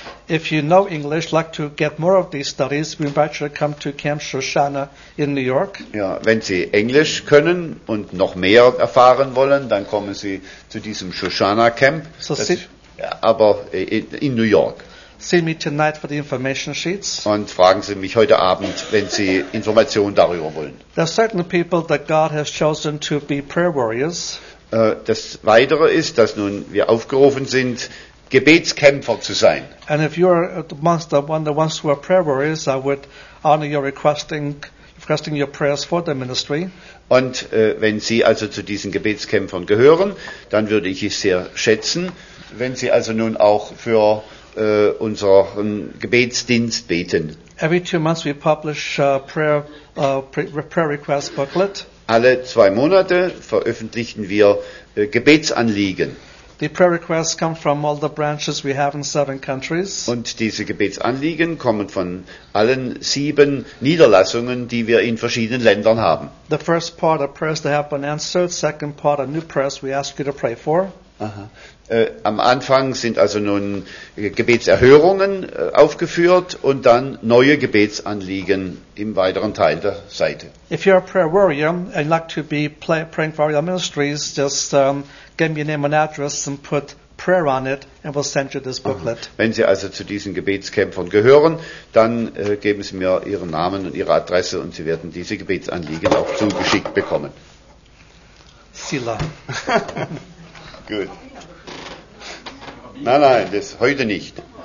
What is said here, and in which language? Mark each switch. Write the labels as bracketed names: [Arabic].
[English] If you know English, like to get more of these studies, we invite you to come to Camp Shoshana in New York. [German] Ja, wenn Sie Englisch können und noch mehr erfahren wollen, dann kommen Sie zu diesem Shoshana Camp. In New York. [English] See me tonight for the information sheets. [German] Und fragen Sie mich heute Abend, wenn Sie Informationen darüber wollen. [English] There are certain people that God has chosen to be prayer warriors. [German] Das Weitere ist, dass nun wir aufgerufen sind, Gebetskämpfer zu sein. [English] And if you are amongst the one of the ones who are prayer warriors, I would honor your requesting your prayers for the ministry. [German] Und wenn Sie also zu diesen Gebetskämpfern gehören, dann würde ich es sehr schätzen, wenn Sie also nun auch für unseren Gebetsdienst beten. [English] Every 2 months we publish a prayer request booklet. [German] Alle 2 Monate veröffentlichen wir Gebetsanliegen. [English] The prayer requests come from all the branches we have in 7 countries. [German] Und diese Gebetsanliegen kommen von allen 7 Niederlassungen, die wir in verschiedenen Ländern haben. [English] The first part are prayers that have been answered. Second part are new prayers we ask you to pray for. [German] Am Anfang sind also nun Gebetserhörungen aufgeführt und dann neue Gebetsanliegen im weiteren Teil der Seite. [English] If you're a prayer warrior and like to be praying for our ministries, just give me your name and address and put prayer on it and we'll send you this booklet. Aha. [German] Wenn Sie also zu diesen Gebetskämpfern gehören, dann geben Sie mir Ihren Namen und Ihre Adresse und Sie werden diese Gebetsanliegen auch zugeschickt bekommen. Sila. Gut. Nein, das heute nicht.